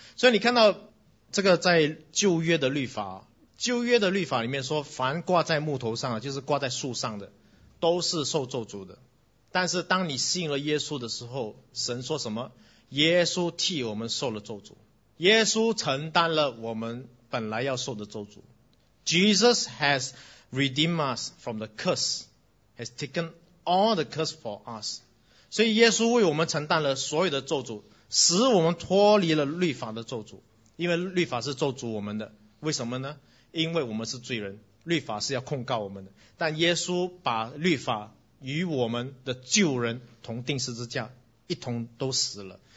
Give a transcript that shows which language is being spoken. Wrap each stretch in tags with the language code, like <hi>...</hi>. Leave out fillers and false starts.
<zh>所以你看到这个在旧约的律法，旧约的律法里面说，凡挂在木头上，就是挂在树上的，都是受咒诅的。但是当你信了耶稣的时候，神说什么？耶稣替我们受了咒诅，耶稣承担了我们本来要受的咒诅。</zh> <en>Jesus has redeemed us from the curse, has taken all the curse for us.</en> <zh>所以耶稣为我们承担了所有的咒诅，使我们脱离了律法的咒诅。因为律法是咒诅我们的，为什么呢？因为我们是罪人，律法是要控告我们的。但耶稣把律法与我们的旧人同钉十字架，一同都死了。</zh>